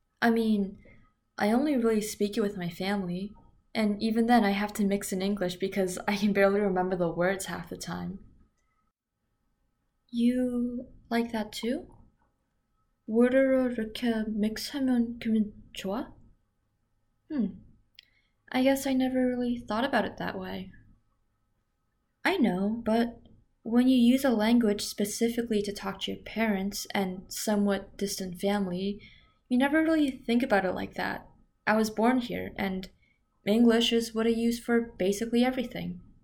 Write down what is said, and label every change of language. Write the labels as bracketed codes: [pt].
[en] I mean, I only really speak it with my family, and even then I have to mix in English because I can barely remember the words half the time. You like that too? [ko] 워드로 이렇게 믹스하면 기분 좋아? [en] I guess I never really thought about it that way. I know, but when you use a language specifically to talk to your parents and somewhat distant family, you never really think about it like that. I was born here, and English is what I use for basically everything.